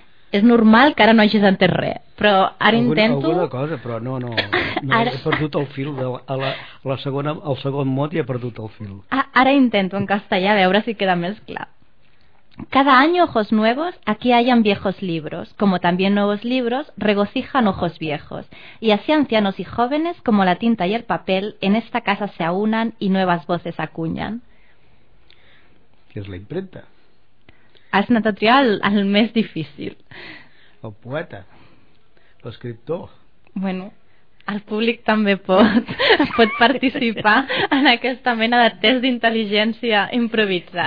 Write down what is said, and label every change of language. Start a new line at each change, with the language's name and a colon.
Catalan: És normal que ara no hagis entès res, però ara intento... Alguna cosa, però no ara... he perdut el fil, el segon mot i he perdut el fil. Ara intento en castellà, a veure si queda més clar.
Spanish: Cada año ojos nuevos, aquí hallan viejos libros, como también nuevos libros, regocijan ojos viejos. Y así ancianos y jóvenes, como la tinta y el papel, en esta casa se aunan y nuevas voces acuñan. ¿Qué es la imprenta?
Catalan: Has anat a triar el més difícil. El poeta, l'escriptor. Bueno, el públic també pot, pot participar en aquesta mena de test d'intel·ligència improvisat.